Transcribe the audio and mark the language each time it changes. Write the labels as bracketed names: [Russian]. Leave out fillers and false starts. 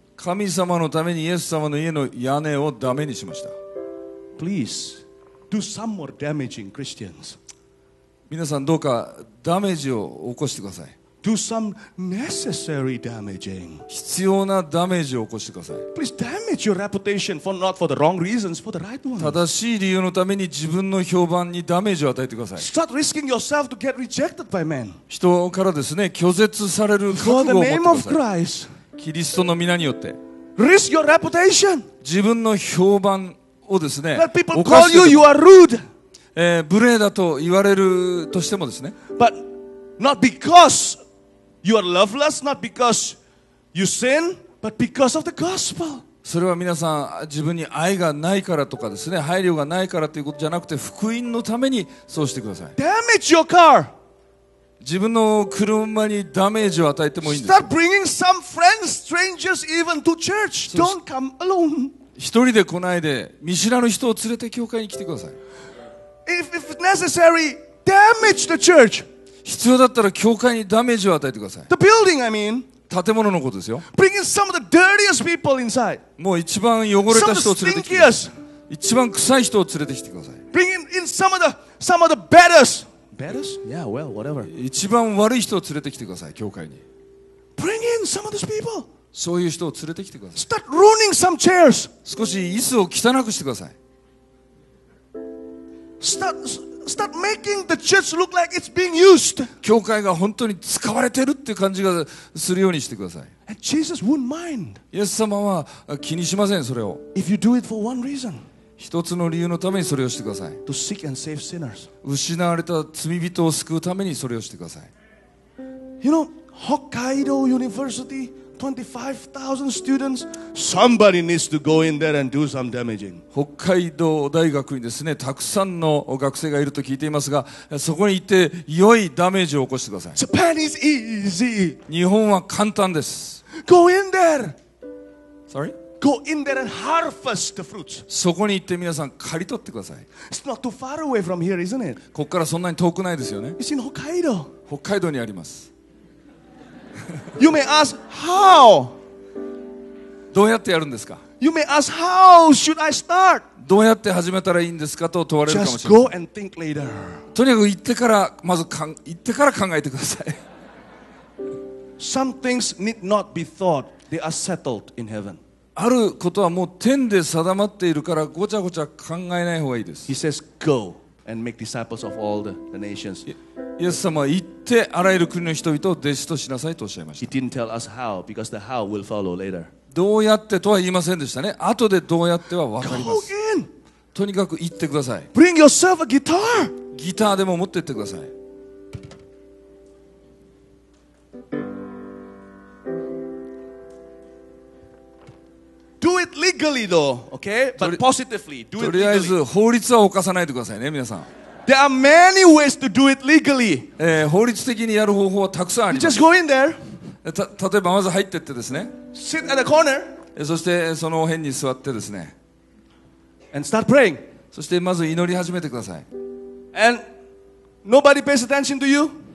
[Japanese] 神様のためにイエス様の家の屋根をダメにしました。 [English] Please do some more damaging Christians. [Japanese] 皆さんどうかダメージを起こしてください。 [English] Do some necessary damaging. [Japanese] 必要なダメージを起こしてください。 [English] Please damage your reputation for not for the wrong reasons, for the right ones. [Japanese] 正しい理由のために自分の評判にダメージを与えてください。 [English] Start risking yourself to get rejected by men. [Japanese] 人からですね、拒絶される覚悟を持ってください。 [English] For the name of Christ. [Japanese] キリストの皆によって。 [English] Risk your reputation. [Japanese] 自分の評判をですね、 [English] Let people call you, you are rude. [Japanese] 無礼だと言われるとしてもですね。 [English] But not because. You are loveless not because you sin, but because of the gospel. [Japanese] それは皆さん自分に愛がないからとかですね、配慮がないからということじゃなくて、福音のためにそうしてください。 [English] Damage your car. [Japanese] 自分の車にダメージを与えてもいいんです。 [English] Start bringing some friends, strangers even to church. Don't come alone. [Japanese] 一人で来ないで、見知らぬ人を連れて教会に来てください。 [English] If necessary, damage the church. [Japanese] 必要だったら教会にダメージを与えてください。 [English] The building, I mean. [Japanese] 建物のことですよ。 [English] Bring in some of the dirtiest people inside. [Japanese] もう一番汚れた人を連れてきてください。一番臭い人を連れてきてください。 [English] Bring in some of the baddest. Yeah, well, whatever. [Japanese] 一番悪い人を連れてきてください、教会に。 [English] Bring in some of these people. [Japanese] そういう人を連れてきてください。 [English] Start ruining some chairs. [Japanese] 少し椅子を汚くしてください。 [English] Start making the church look like it's being used. [Japanese] 教会が本当に使われてるっていう感じがするようにしてください。 [English] And Jesus wouldn't mind. [Japanese] イエス様は気にしません、それを。 [English] If you do it for one reason. [Japanese] 一つの理由のためにそれをしてください。 [English] To seek and save sinners. [Japanese] 失われた罪人を救うためにそれをしてください。 [English] You know, Hokkaido University, 25,000 students. Somebody needs to go in there and do some damaging. [Japanese] 北海道大学にですね、たくさんの学生がいると聞いていますが、そこに行って良いダメージを起こしてください。 [English] Japan is easy. [Japanese] 日本は簡単です。 [English] Go in there. Sorry? Go in there and harvest the fruits. [Japanese] そこに行って皆さん刈り取ってください。 [English] It's not too far away from here, isn't it? [Japanese] ここからそんなに遠くないですよね。 [English] It's in Hokkaido. [Japanese] 北海道にあります。 [English] You may ask how. [Japanese] どうやってやるんですか。 [English] You may ask how should I start. [Japanese] どうやって始めたらいいんですかと問われるかもしれない。 [English] Just go and think later. [Japanese] とにかく行ってからまず行ってから考えてください。 [English] Some things need not be thought. They are settled in heaven. [Japanese] あることはもう天で定まっているからごちゃごちゃ考えない方がいいです。 [English] He says, "Go and make disciples of all the nations." [Japanese] イエス様は行ってあらゆる国の人々を弟子としなさいとおっしゃいました。 [English] He didn't tell us how because the how will follow later. [Japanese] どうやってとは言いませんでしたね。後でどうやってはわかります。 [English] Go in. [Japanese] とにかく行ってください。 [English] Bring yourself a guitar. [Japanese] ギターでも持って行ってください。 [English] Do it legally though, okay? But positively, do it legally. [Japanese] とりあえず法律は犯さないでくださいね、皆さん。 [English] There are many ways to do it legally. [Japanese] 法律的にやる方法はたくさんあります。 [English] You just go in there. [Japanese] 例えばまず入ってってですね。 [English] Sit at the corner. [Japanese] そしてその辺に座ってですね。 [English] And start praying. [Japanese] そしてまず祈り始めてください。 [English] And nobody pays attention to you.